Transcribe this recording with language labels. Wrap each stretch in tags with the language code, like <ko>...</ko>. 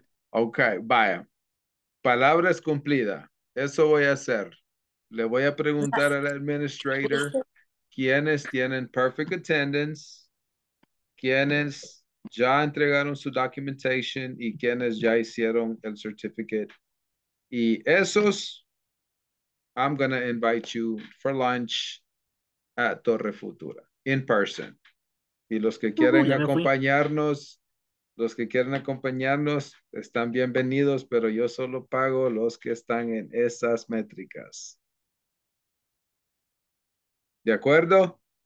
<es>Ok, vaya. Palabra es cumplida. Eso voy a hacer. Le voy a preguntar al administrator quiénes tienen</es> <en>perfect attendance,</en> <es>quiénes ya entregaron su documentation y quienes ya hicieron el certificate. Y esos,</es> <en>I'm going to invite you for lunch at Torre Futura, in person.</en> <es>Y los que quieren acompañarnos, están bienvenidos, pero yo solo pago los que están en esas métricas. ¿De acuerdo?</es>